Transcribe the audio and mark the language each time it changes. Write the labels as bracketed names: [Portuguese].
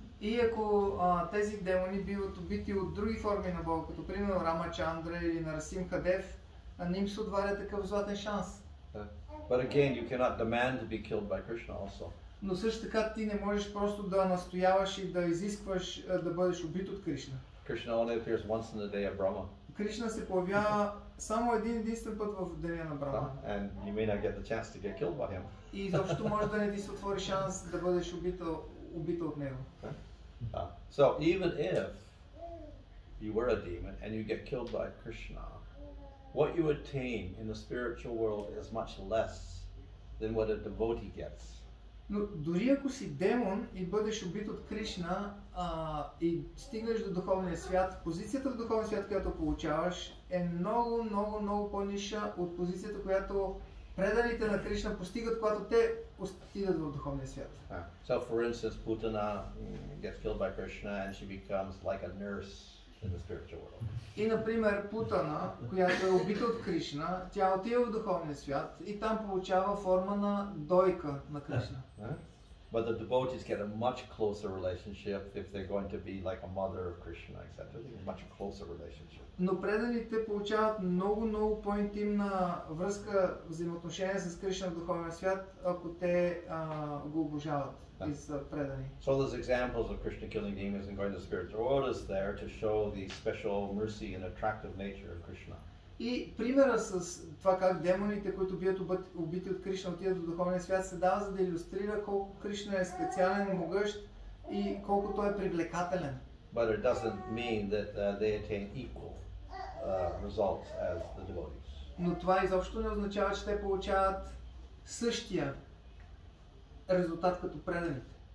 [Bulgarian] И ако тези демони биват убити от други форми на Бог, като примерно Рамачандра или Нарасимха Дев, не им се отваря такъв златен шанс. [English] But again, you cannot demand to be killed by Krishna also. [Bulgarian] Но също така ти не можеш просто да настояваш и да изискваш да бъдеш убит от Кришна. [English] Krishna only appears once in the day of Brahma. [Bulgarian] Кришна се появява само един единствен път в деня на Брахма. [English] And you may not get the chance to get killed by him. [Bulgarian] И изобщо може да не ти се отвори шанс да бъдеш убит от него. [English] So even if you were a demon and you get killed by Krishna, what you attain in the spiritual world is much less than what a devotee gets. [Bulgarian] Но дори ако си демон и бъдеш убит от Кришна и стигнеш до духовния свят, позицията в духовния свят, която получаваш, е много, много, много по-ниша от позицията, която преданите на Кришна постигат, когато те отидат в духовния свят. [English] So for instance, Putana gets killed by Krishna and she becomes like a nurse in the spiritual world. [Bulgarian] И например, Путана, която е убита от Кришна, тя отива в духовния свят и там получава форма на дойка на Кришна. [English] But the devotees get a much closer relationship if they're going to be like a mother of Krishna, etc. Much closer relationship. [Bulgarian] Но преданите получават много, много по-интимна връзка, взаимоотношение с Кришна в духовния свят, ако те го обожават и са предани. [English] So those examples of Krishna killing demons and going to the spiritual world is there to show the special mercy and attractive nature of Krishna. [Bulgarian] И примера с това как демоните, които бият убити от Кришна, отидат до духовния свят, се дава, за да илюстрира колко Кришна е специален, могъщ и колко той е привлекателен. [English] But it doesn't mean that they attain equal results as the devotees. [Bulgarian] Но това изобщо не означава, че те получават същия резултат като преданите.